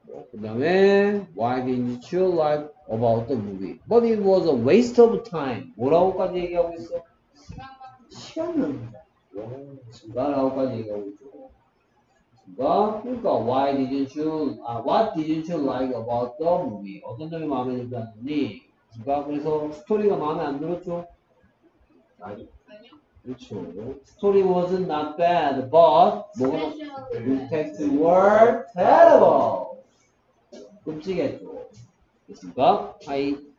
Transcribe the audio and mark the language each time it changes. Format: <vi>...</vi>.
<ko>그 다음에</ko> <en>Why didn't you like about the movie? But it was a waste of time.</en> <ko>뭐라고까지 얘기하고 있어? 시간 낭비다. 뭐라고까지 얘기하고 있어? 그러니까</ko> <en>Why didn't you, What didn't you like about the movie?</en> <ko>어떤 점이 마음에 들지 않니? 누가 그래서 스토리가 마음에 안 들었죠? 아니요. 그렇죠.</ko> <en>Story wasn't not bad, but</en> <ko>뭐가</ko> <en>effects were terrible.</en> <ko>끔찍했죠. 됐습니까? 하이.</ko>